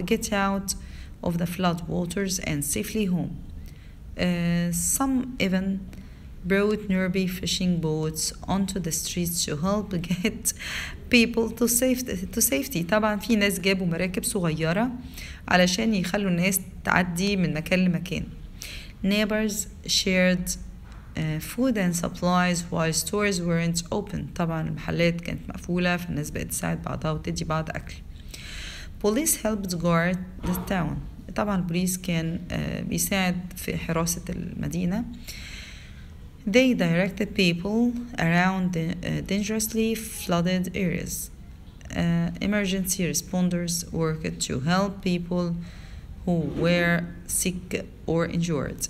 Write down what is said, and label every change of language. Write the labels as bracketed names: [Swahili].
[English] Get out of the flood waters and safely home. Some even brought nearby fishing boats onto the streets to help get people to safety. [Arabic] طبعا في ناس جابوا مراكب صغيرة علشان يخلوا الناس تعدي من مكان لمكان. [English] Neighbors shared food and supplies while stores weren't open. [Arabic] طبعا المحلات كانت مقفولة فالناس بقت تساعد بعضها وتدي بعض أكل. [English] Police helped guard the town. [Arabic] طبعا البوليس كان بيساعد في حراسة المدينة. [English] They directed people around dangerously flooded areas. Emergency responders worked to help people who were sick or injured.